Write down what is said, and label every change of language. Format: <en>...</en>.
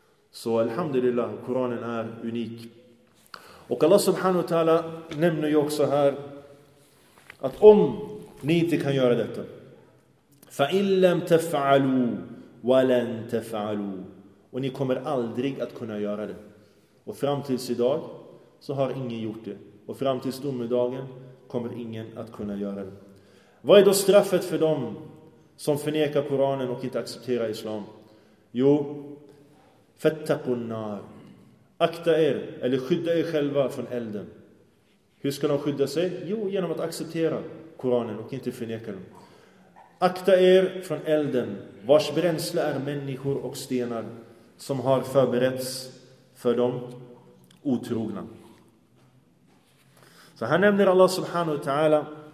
<sv>Så alhamdulillah, Koranen är unik. Och Allah subhanahu wa ta'ala nämner ju också här att om ni inte kan göra detta,</sv> <ar>فَإِنْ لَمْ تَفْعَلُوا وَلَنْ تَفْعَلُوا,</ar> <sv>och ni kommer aldrig att kunna göra det. Och fram tills idag så har ingen gjort det. Och fram tills domedagen kommer ingen att kunna göra det. Vad är då straffet för dem som förnekar Koranen och inte accepterar islam?</sv> <ar>Jo, فَتَّقُوا النَّارِ.</ar> <sv>Akta er, eller skydda er själva från elden. Hur ska de skydda sig? Jo, genom att acceptera Koranen och inte förneka den. Akta er från elden, vars bränsle är människor och stenar som har förberetts för de otrogna. Så här nämner Allah subhanahu wa ta'ala</sv>